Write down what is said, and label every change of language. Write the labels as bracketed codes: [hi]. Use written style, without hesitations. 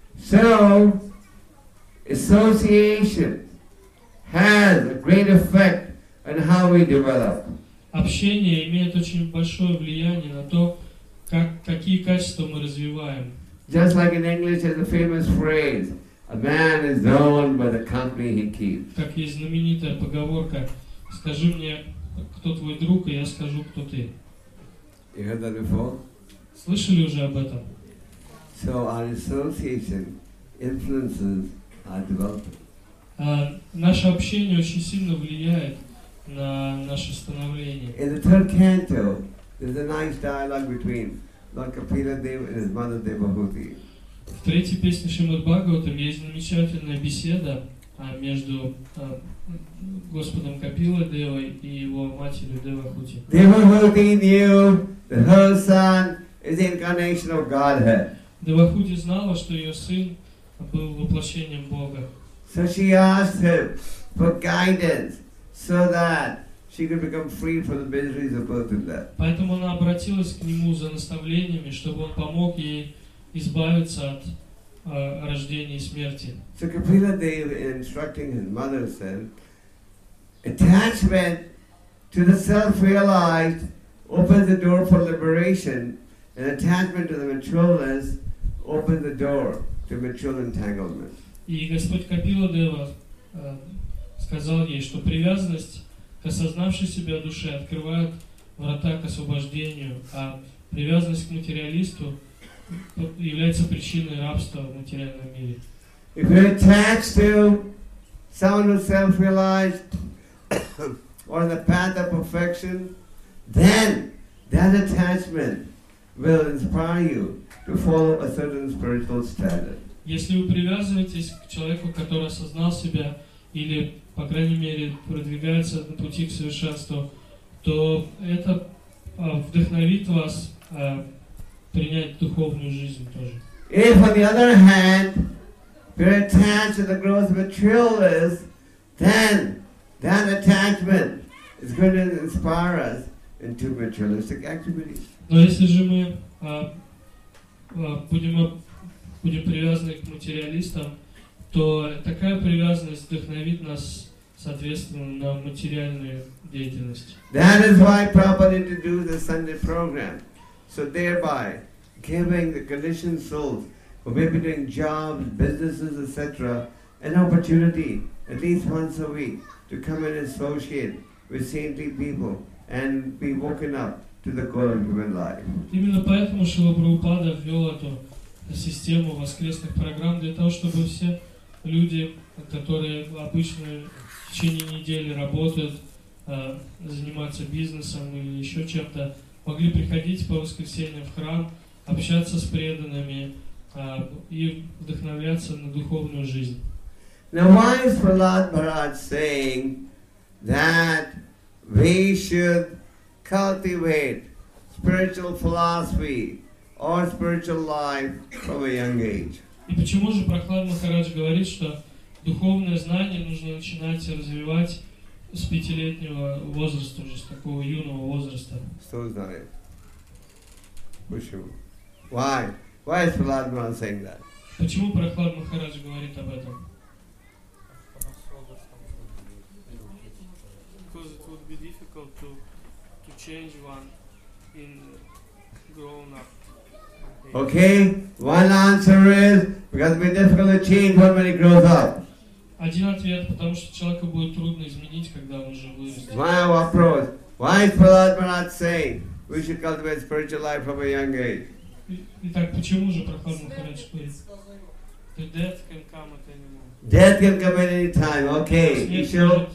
[en] So, association has a great effect on how we develop. [ru] Общение имеет очень большое влияние на то, какие качества мы развиваем. [en] Just like in English there's a famous phrase, a man is known by the company he keeps. [ru] Как есть знаменитая поговорка, скажи мне, кто твой друг, и я скажу, кто ты. [en] You heard that before? [ru] Слышали уже об этом? [en] So our association influences our development. [ru] Наше общение очень сильно влияет на наше становление. [en] In the third canto, there's a nice dialogue between Lord Kapila Deva and his mother Devahuti. [ru] В третьей песне Шримад Бхагаватам есть замечательная беседа между Господом Капила Девой и его матерью Девахути. [en] Devahuti knew that her son is the incarnation of Godhead. [ru] Девахути знала, что ее сын был воплощением Бога. [en] So she asked him for guidance, so that she could become free from the miseries of birth and death. [ru] Поэтому она обратилась к нему за наставлениями, чтобы он помог ей избавиться от рождения и смерти. [en] So Kapila Deva, instructing his mother, said, attachment to the self-realized opens the door for liberation, and attachment to the materialist opens the door to material entanglement. [ru] И Господь Капила Дева сказал ей, что привязанность к осознавшей себя душе открывает врата к освобождению, а привязанность к материалисту является причиной рабства в материальном мире. [en] If you're attached to someone who's self-realized or on the path of perfection, then that attachment will inspire you to follow a certain spiritual standard. [ru] Если вы привязываетесь к человеку, который осознал себя или по крайней мере, продвигается на пути к совершенству, то это вдохновит вас принять духовную жизнь тоже. [en] If, on the other hand, you're attached to the growth of materialism, then that attachment is going to inspire us into materialistic activities. [ru] Но если же мы будем будем привязаны к материалистам, то такая привязанность вдохновит нас, соответственно, на материальную деятельность. [en] That is why Prabhupada introduced the Sunday program. So thereby, giving the conditioned souls who may be doing jobs, businesses, etc., an opportunity at least once a week to come and associate with saintly people and be woken up to the goal of human life. [ru] Именно поэтому Шрила Прабхупада ввел эту систему воскресных программ для того, чтобы все люди, которые обычно в течение недели работают, занимаются бизнесом или еще чем-то, могли приходить по воскресеньям в храм, общаться с преданными и вдохновляться на духовную жизнь. [en] Now why is Prahlad Maharaj saying that we should cultivate spiritual philosophy or spiritual life from a young age? [ru] И почему же Прахлад Махарадж говорит, что духовное знание нужно начинать развивать с пятилетнего возраста, уже с такого юного возраста? Что знает? Почему? [en] Why? Why is Prahlad Maharaj saying that? [ru] Почему Прахлад Махарадж говорит об этом? [en] Because it would be difficult to change one in grown up. Okay, one answer is because it will be difficult to change when he grows up. [ru] Один ответ, потому что человека будет трудно изменить, когда он уже вырастет. [en] My approach. Why is Prahlad Maharaj saying we should cultivate spiritual life from a young age? [ru] Итак, почему же Прахлад Махарадж говорит? [en] The death can come at any moment. Death can come at any time. Okay. [ru] Еще.